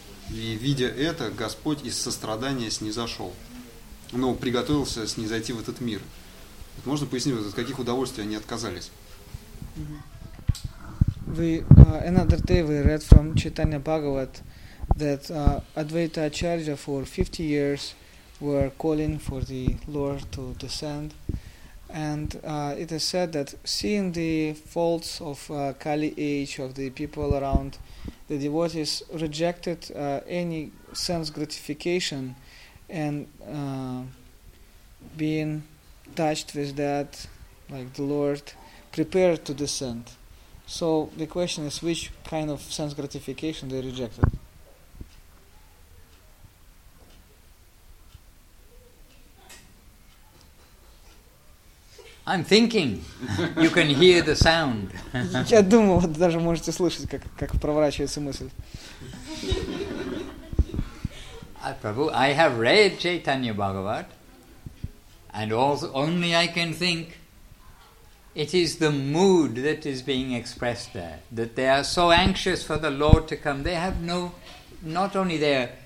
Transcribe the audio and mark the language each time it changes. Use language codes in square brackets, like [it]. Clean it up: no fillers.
[ru] И, видя это, Господь из сострадания снизошел. Ну, приготовился снизойти в этот мир. Вот можно пояснить, от каких удовольствий они отказались? [en] Another day we read from Chaitanya Bhagavat that Advaita Acharya for 50 years were calling for the Lord to descend. And it is said that seeing the faults of Kali age, of the people around, the devotees rejected any sense gratification, and being touched with that, like the Lord prepared to descend. So the question is, which kind of sense gratification they rejected? I'm thinking. You can hear the sound. [ru] Я думаю, вы даже можете слышать, как проворачивается мысль. [en] Prabhu, I have read Chaitanya Bhagavat, and also only I can think it is the mood that is being expressed there, that they are so anxious for the Lord to come. They have no, not only they